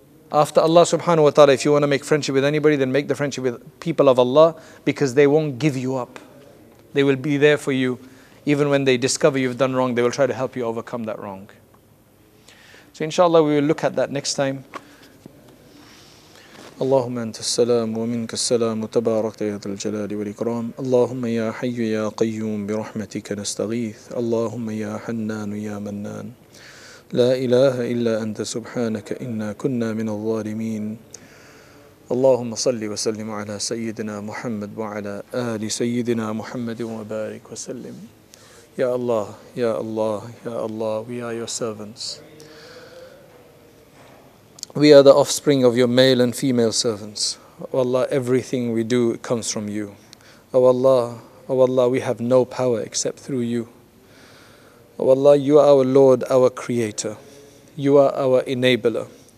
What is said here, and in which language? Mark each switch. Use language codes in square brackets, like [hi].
[en] After Allah subhanahu wa ta'ala, if you want to make friendship with anybody, then make the friendship with people of Allah, because they won't give you up. They will be there for you. Even when they discover you've done wrong, they will try to help you overcome that wrong. So inshallah, we will look at that next time. [ar] اللهم أنت السلام ومنك السلام تبارك يا ذا الجلال والإكرام اللهم يا حي يا قيوم برحمتك نستغيث اللهم يا حنان يا منان لا إله إلا أنت سبحانك إنا كنا من الظالمين اللهم صل وسلم على سيدنا محمد وعلى آل سيدنا محمد وبارك وسلم يا الله يا الله يا الله [en] we are your servants. We are the offspring of your male and female servants. Oh Allah, everything we do comes from you. Oh Allah, we have no power except through you. Oh Allah, you are our Lord, our Creator. You are our enabler.